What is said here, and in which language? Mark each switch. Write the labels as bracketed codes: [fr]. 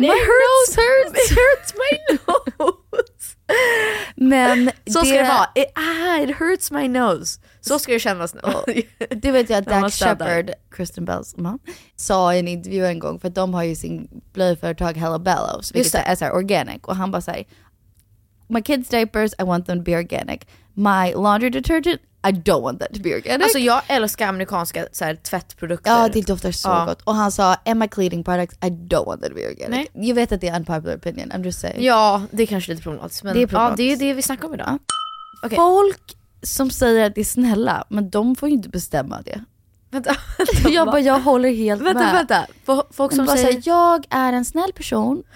[en] It hurts my nose. [sv] Men så ska det vara. [en] It hurts my nose. [sv] Så ska det kännas nu. Du vet ju att Dax Shepard, Kristen Bells mom, sa i en intervju en gång, för de har ju sin blöjföretag Hello Bellows, vilket är så här organic. Och han bara säger, [en] my kids' diapers, I want them to be organic. My laundry detergent, I don't want that to be organic. [sv] Alltså jag älskar amerikanska så här, tvättprodukter. Ja, oh, det doftar så oh. gott. Och han sa, [en] and my cleaning products, I don't want that to be organic. [sv] Nej. Jag vet att det är [en] unpopular opinion, I'm just saying. [sv] Ja, det är kanske lite problematiskt. Men det är problematiskt. Ja, det är det vi snackar om idag. [en] Okay. [sv] Folk som säger att det är snälla, men de får ju inte bestämma det. Vänta. Jag håller helt vänta, med. Vänta, vänta. Folk som säger, jag är en snäll person.